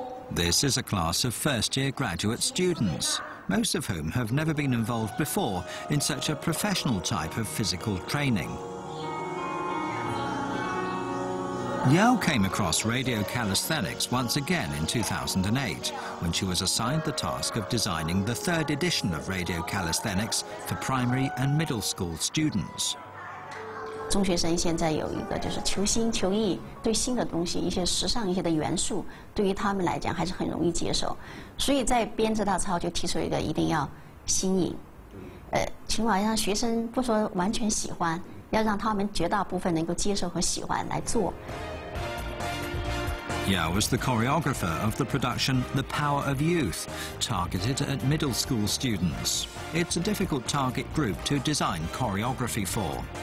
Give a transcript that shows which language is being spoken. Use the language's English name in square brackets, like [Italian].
[English] This is a class of first-year graduate students, most of whom have never been involved before in such a professional type of physical training. Yao came across radio calisthenics once again in 2008, when she was assigned the task of designing the third edition of radio calisthenics for primary and middle school students. [Chinese] 中学生现在有一个就是求新求异，对新的东西一些时尚一些的元素，对于他们来讲还是很容易接受，所以在编制大操就提出一个一定要新颖，起码让学生不说完全喜欢，要让他们绝大部分能够接受和喜欢来做。Yao [English] was the choreographer of the production The Power of Youth, targeted at middle school students. It's a difficult target group to design choreography for.